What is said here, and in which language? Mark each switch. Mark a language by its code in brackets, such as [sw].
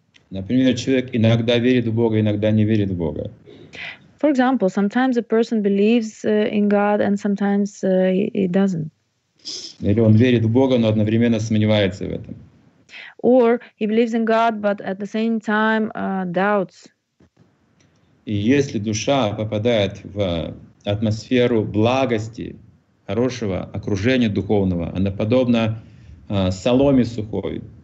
[ru] Например, человек иногда верит в Бога, иногда не верит в Бога. [en] For example, sometimes a person believes in God and sometimes he doesn't. [ru] Или он верит в Бога, но одновременно сомневается в этом. [en] Or he believes in God, but at the same time doubts. [ru] И если душа попадает в атмосферу благости, хорошего окружения духовного, она подобна соломе сухой.